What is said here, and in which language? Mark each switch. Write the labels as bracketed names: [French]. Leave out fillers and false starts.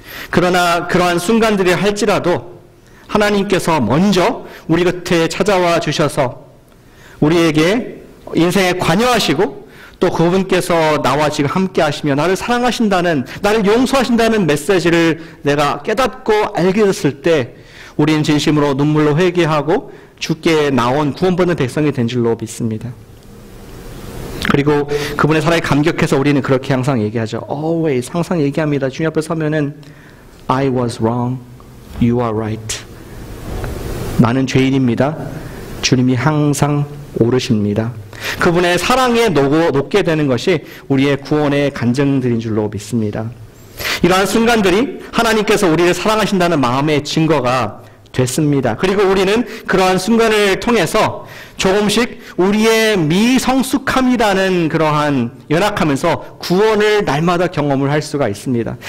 [Korean] 그러나 그러한 순간들이 할지라도 하나님께서 먼저 우리 곁에 찾아와 주셔서 우리에게 인생에 관여하시고 또 그분께서 나와 지금 함께 하시며 나를 사랑하신다는, 나를 용서하신다는 메시지를 내가 깨닫고 알게 됐을 때 우리는 진심으로 눈물로 회개하고 주께 나온 구원받는 백성이 된 줄로 믿습니다. 그리고 그분의 사랑에 감격해서 우리는 그렇게 항상 얘기하죠. Always 항상 얘기합니다. 주님 앞에 서면은 [English] I was wrong, you are right. [Korean] 나는 죄인입니다. 주님이 항상 옳으십니다. 그분의 사랑에 녹게 되는 것이 우리의 구원의 간증들인 줄로 믿습니다. 이러한 순간들이 하나님께서 우리를 사랑하신다는 마음의 증거가 됐습니다. 그리고 우리는 그러한 순간을 통해서 조금씩 우리의 미성숙함이라는 그러한 연약함에서 구원을 날마다 경험을 할 수가 있습니다.